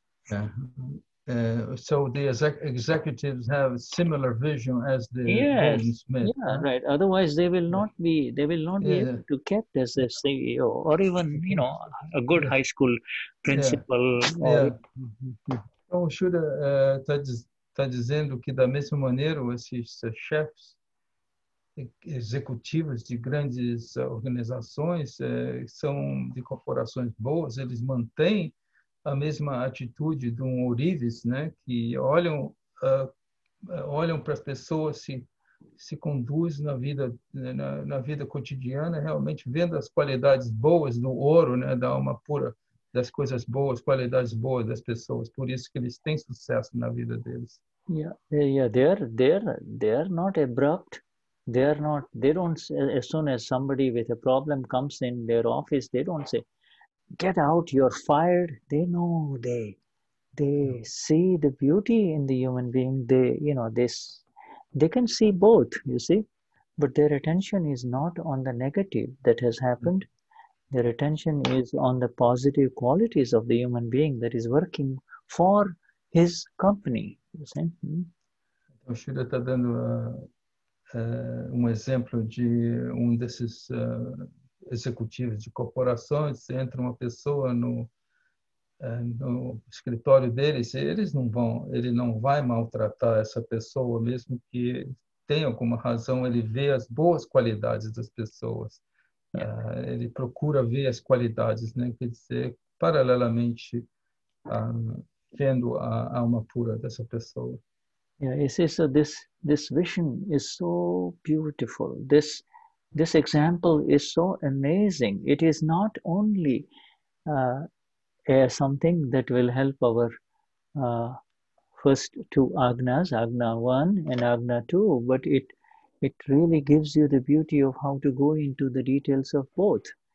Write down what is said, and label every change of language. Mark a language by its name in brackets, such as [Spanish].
[English] Yeah. So the executives have similar vision as the goldsmith. Yeah, right. Otherwise, they will not be able to get as a CEO or even, you know, a good high school principal. Yeah. Or... Yeah. [Portuguese] Então, o Shuddha está dizendo que da mesma maneira esses chefes executivos de grandes organizações são de corporações boas, eles mantêm a mesma atitude de um ourives, né, que olham para as pessoas se conduz na vida, né? Na vida cotidiana, realmente vendo as qualidades boas do ouro, né, da alma pura, das coisas boas, qualidades boas das pessoas, por isso que eles têm sucesso na vida deles. [English] Yeah, they're not abrupt. As soon as somebody with a problem comes in their office, they don't say, get out, you're fired. They know, they see the beauty in the human being. They, you know, they can see both, you see. But their attention is not on the negative that has happened. Their attention is on the positive qualities of the human being that is working for his company, you see. [Portuguese] Então, Shuddha está dando exemplo de desses... executivos de corporações, entra uma pessoa no escritório deles, ele não vai maltratar essa pessoa, mesmo que tenha alguma razão, ele vê as boas qualidades das pessoas. Ele procura ver as qualidades, né? Quer dizer, paralelamente vendo a alma pura dessa pessoa. [English] Yeah, it says, this vision is so beautiful. This example is so amazing. It is not only something that will help our first two agnas, agna 1 and agna 2, but it really gives you the beauty of how to go into the details of both.